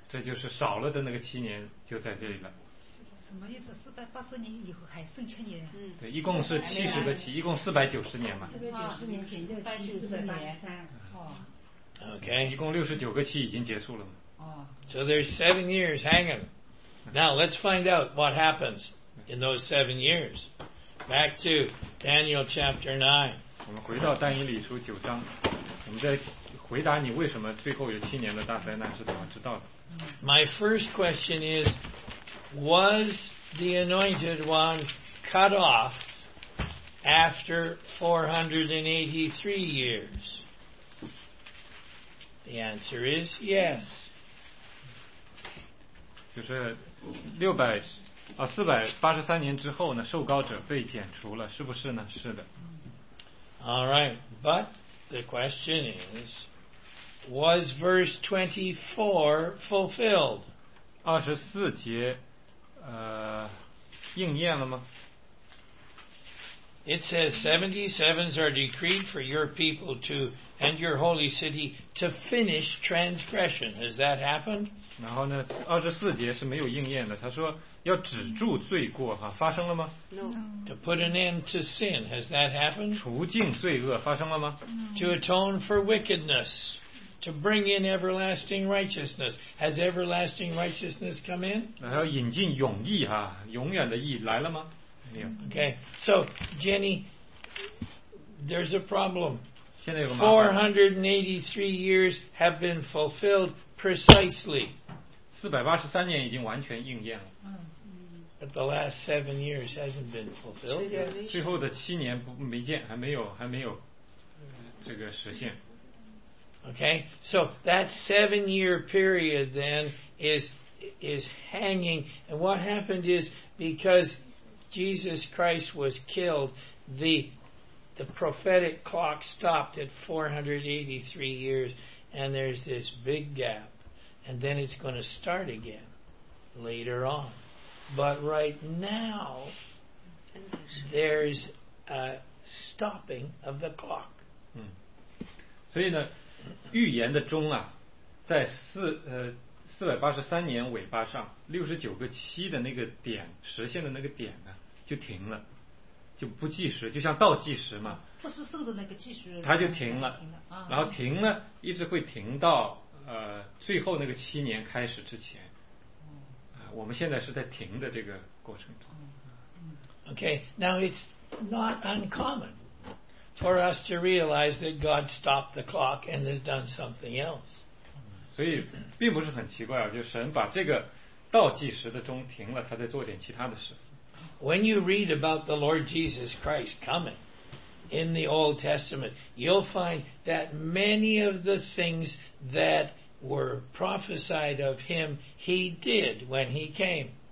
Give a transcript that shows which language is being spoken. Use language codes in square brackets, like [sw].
[zh] 这就是少了的那个七年就在这里了。什么意思？四百八十年以后还剩七年？嗯，对，一共是七十个七，一共四百九十年嘛。四百九十年减掉七十年，哦。 [en] OK， [zh] 一共六十九个七已经结束了嘛。哦。 [en] So there's 7 years hanging. Now let's find out what happens in those 7 years. Back to Daniel chapter 9. [zh] 我们回到但以理书九章，我们再回答你为什么最后有七年的大灾难是怎么知道的 [en] ？My first question is. Was the anointed one cut off after 483 years? The answer is yes. [zh] 就是六百啊，四百八十三年之后呢，受膏者被剪除了，是不是呢？是的。 [en] All right, but the question is, was verse 24 fulfilled? [zh] 二十四节。应验了吗? [en] It says 77s are decreed for your people to and your holy city to finish transgression. Has that happened? [zh] 然后呢二十四节是没有应验的他说要止住罪过、啊、发生了吗? [en] No. To put an end to sin. Has that happened? [zh] 除尽罪恶发生了吗? [en] No. To atone for wickedness. To bring in everlasting righteousness. Has everlasting righteousness come in? [zh] 然后引进永义啊，永远的义来了吗？没有。 [en] Okay, so Jenny, there's a problem. [zh] 现在有个麻烦。 [en] 483 years have been fulfilled precisely. [zh] 483年已经完全应验了。 [en] But the last 7 years hasn't been fulfilled. [zh] 最后的七年不没见，还没有这个实现。 [en] Okay, so that 7 year period then is hanging. And what happened is because Jesus Christ was killed, the prophetic clock stopped at 483 years, and there's this big gap. And then it's going to start again later on. But right now, there's a stopping of the clock. So, you know. [zh] 预言的钟啊，在四百八十三年尾巴上，六十九个七的那个点实现的那个点呢、啊，就停了，就不计时，就像倒计时嘛。不是顺着那个计时。它就停了，然后停了，一直会停到最后那个七年开始之前。我们现在是在停的这个过程中。 [en] Okay, now it's not uncommon. For us to realize that God stopped the clock and has done something else. [zh] 所以并不是很奇怪啊，就神把这个倒计时的钟停了，他在做点其他的事。 [en] When you read about the Lord Jesus Christ coming in the Old Testament, you'll find that many of the things that were prophesied of him, he did when he came.